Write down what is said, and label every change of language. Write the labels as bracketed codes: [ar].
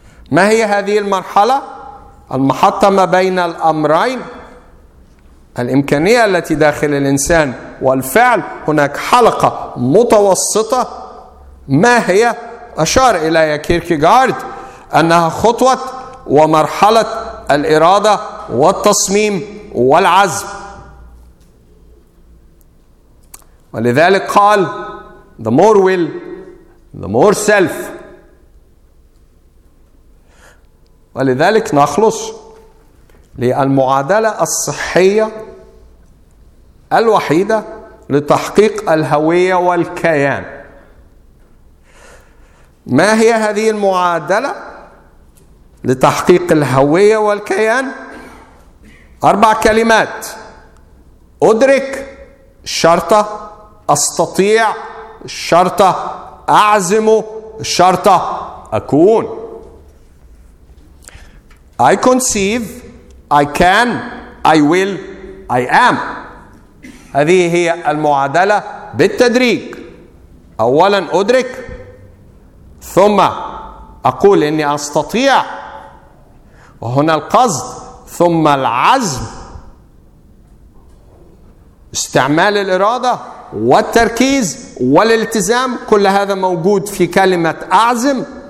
[ar] ما هي هذه المرحلة؟ المحطة ما بين الأمرين، الإمكانية التي داخل الإنسان والفعل. هناك حلقة متوسطة. ما هي؟ أشار إليها كيركيغارد أنها خطوة ومرحلة الإرادة والتصميم والعزم. ولذلك قال [en] the more will the more self. [ar] ولذلك نخلص للمعادلة الصحية الوحيدة لتحقيق الهوية والكيان. ما هي هذه المعادلة لتحقيق الهوية والكيان؟ أربع كلمات: أدرك، شرطة أستطيع، شرطة أعزم، شرطة أكون. [en] I conceive, I can, I will, I am. [ar] هذه هي المعادلة بالتدريج. أولا أدرك، ثم أقول إني أستطيع، وهنا القصد، ثم العزم، استعمال الإرادة والتركيز والالتزام، كل هذا موجود في كلمة أعزم.